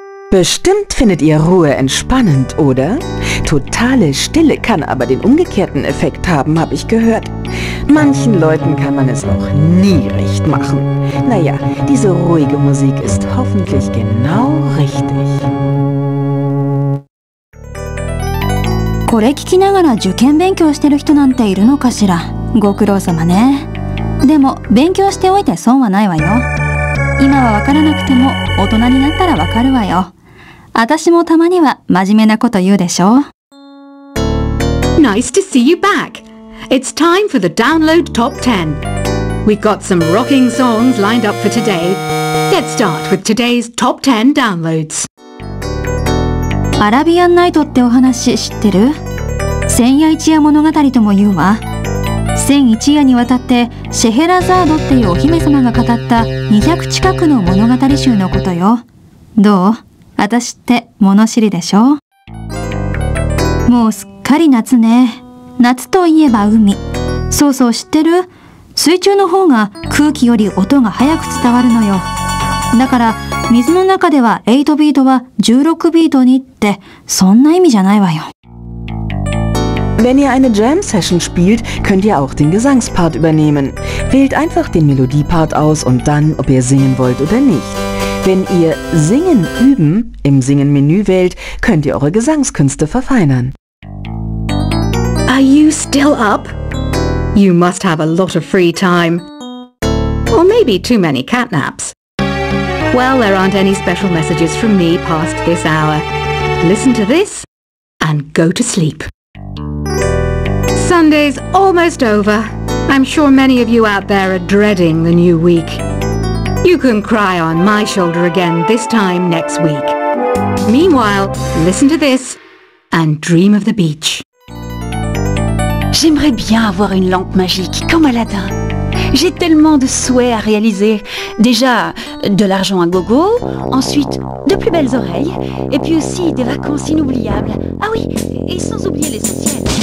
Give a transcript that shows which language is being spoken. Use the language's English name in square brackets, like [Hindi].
[German] Bestimmt findet ihr Ruhe entspannend, oder? Totale Stille kann aber den umgekehrten Effekt haben, habe ich gehört. Manchen Leuten kann man es auch nie recht machen. Naja, diese ruhige Musik ist hoffentlich genau richtig. [Japanese] これ聞きながら受験勉強してる人なんているのかしら。ご苦労様ね。でも勉強しておいて損はないわよ。今はわからなくても大人になったらわかるわよ。私もたまには真面目なこと言うでしょ。 [English] Nice to see you back. It's time for the download top 10. We've got some rocking songs lined up for today. Let's start with today's top 10 downloads. [Japanese] アラビアンナイトってお話知ってる？千夜一夜物語とも言うわ。千一夜にわたってシェヘラザードっていうお姫様が語った200近くの物語集のことよ。どう？私って物知りでしょ？もうすっかり夏ね。夏といえば海。そうそう知ってる？水中の方が空気より音が早く伝わるのよ。だから水の中では8ビートは16ビートにってそんな意味じゃないわよ。 [German] Wenn ihr eine Jam Session spielt, könnt ihr auch den Gesangspart übernehmen. Wählt einfach den Melodiepart aus und dann, ob ihr singen wollt oder nicht. Wenn ihr Singen üben im Singen-Menü wählt, könnt ihr eure Gesangskünste verfeinern. [English] Are you still up? You must have a lot of free time. Or maybe too many catnaps. Well, there aren't any special messages from me past this hour. Listen to this and go to sleep. Sunday's almost over. I'm sure many of you out there are dreading the new week. You can cry on my shoulder again this time next week. Meanwhile, listen to this and dream of the beach. [French] J'aimerais bien avoir une lampe magique comme Aladdin. J'ai tellement de souhaits à réaliser. Déjà, de l'argent à gogo, ensuite, de plus belles oreilles, et puis aussi des vacances inoubliables. Ah oui, et sans oublier l'essentiel.